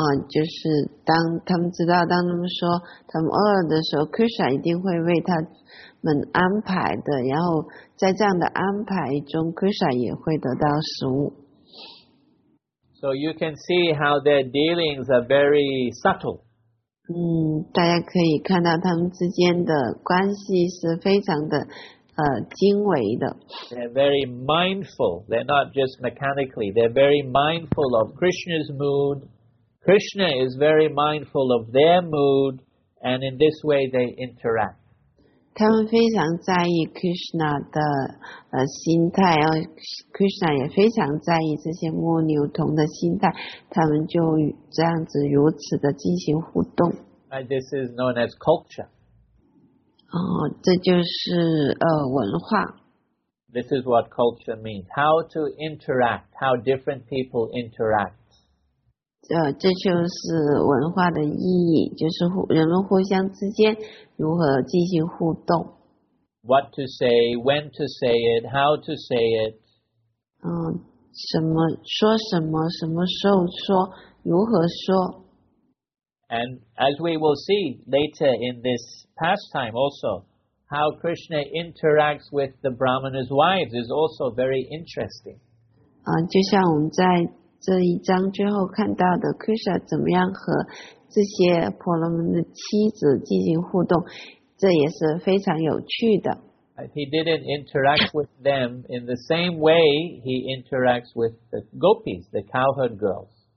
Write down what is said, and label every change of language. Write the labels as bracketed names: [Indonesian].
[Chinese] 就是当他们知道，当他们说他们饿了的时候， Krishna 一定会为他们安排的，然后在这样的安排中， Krishna 也会得到食物。 [English] So you can see how their dealings are very subtle. [Chinese] 大家可以看到他们之间的关系是非常的精微的。 [English] They're very mindful. They're not just mechanically. They're very mindful of Krishna's mood. Krishna is very mindful of their mood, and in this way they interact. [Chinese] 他们非常在意 Krishna 的心态，然后 Krishna 也非常在意这些牧牛童的心态，他们就这样子如此的进行互动。 [English] And this is known as culture. [Chinese] 这就是文化。 [English] This is what culture means. How to interact, how different people interact. [Chinese] 这就是文化的意义，就是人们互相之间如何进行互动。 [English] What to say, when to say it, how to say it. [Chinese] 什么说什么，什么时候说，如何说。 [English] And as we will see later in this pastime also, how Krishna interacts with the Brahmana's wives is also very interesting. [Chinese] 就像我们在这一章之后看到的 Krishna 怎么样和这些婆罗门的妻子进行互动，这也是非常有趣的。 [English] He didn't interact with them in the same way he interacts with the gopis, the cowherd girls.